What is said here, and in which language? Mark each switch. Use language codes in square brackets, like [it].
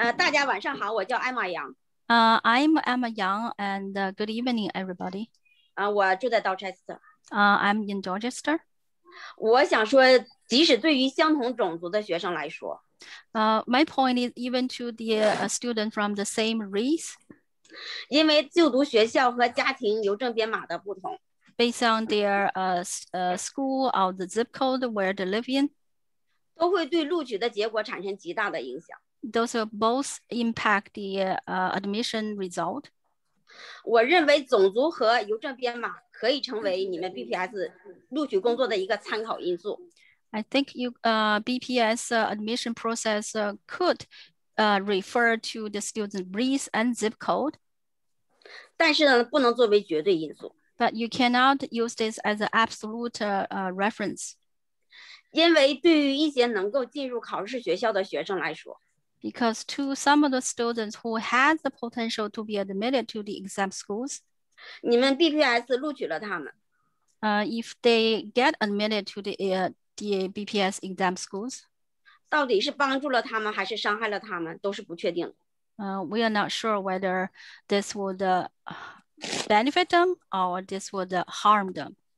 [zh] 不好意思，他们刚才没有点击那个英语，所以说不好意思，从头再做一遍。好，谢谢您啊。大家晚上好，我叫艾玛杨。 [en] I'm Emma Yang, and good evening, everybody. [zh] 我住在Dorchester. [en] I'm in Dorchester. [zh] 我想说，即使对于相同种族的学生来说， [en] my point is even to the student from the same race. [zh] 因为就读学校和家庭邮政编码的不同。 [en] Based on their school or the zip code where they live in. [zh] 都会对录取的结果产生极大的影响。 [en] Those will both impact the admission result. [zh] 我认为种族和邮政编码可以成为你们 BPS 录取工作的一个参考因素。 [en] I think you BPS admission process could refer to the student's race and zip code. [zh] 但是呢，不能作为绝对因素。 [en] But you cannot use this as an absolute reference. [zh] 因为对于一些能够进入考试学校的学生来说。 [en] Because to some of the students who had the potential to be admitted to the exempt schools, [zh] 你们 BPS 录取了他们。 [en] If they get admitted to the BPS exempt schools, [zh] 到底是帮助了他们还是伤害了他们，都是不确定。 [en] We are not sure whether this would benefit them or this would harm them.